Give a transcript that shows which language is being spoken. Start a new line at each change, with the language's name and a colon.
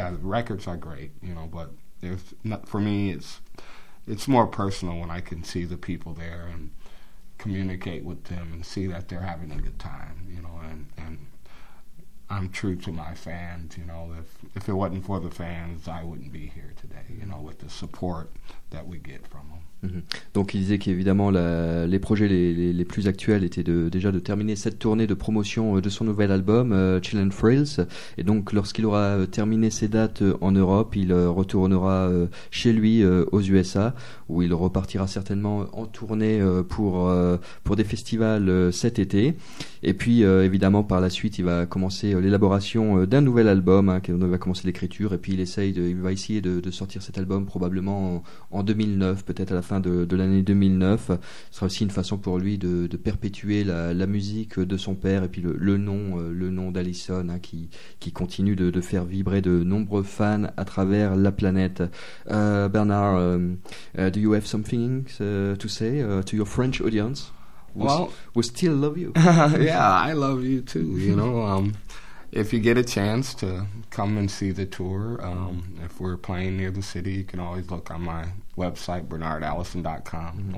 English: yeah, the records are great, you know, but there's not, for me, it's more personal when I can see the people there and communicate with them and see that they're having a good time, you know, and I'm true to my fans, you know. If it wasn't for the fans, I wouldn't be here today, you know, with the support that we get from them.
French: Donc il disait qu'évidemment les projets les plus actuels étaient déjà de terminer cette tournée de promotion de son nouvel album Chill and Thrills, et donc lorsqu'il aura terminé ses dates en Europe, il retournera chez lui aux USA, où il repartira certainement en tournée pour des festivals cet été, et puis évidemment par la suite il va commencer l'élaboration d'un nouvel album, hein, il va commencer l'écriture, et puis il va essayer de sortir cet album probablement en 2009, peut-être la fin de l'année 2009. Ce sera aussi une façon pour lui de perpétuer la musique de son père, et puis le nom d'Allison, hein, qui continue de faire vibrer de nombreux fans à travers la planète.
English: Bernard, do you have something to say to your French audience? Well, we still love you. Yeah, I love you too. You know, if you get a chance to come and see the tour, if we're playing near the city, you can always look on my website, bernardallison.com, mm-hmm.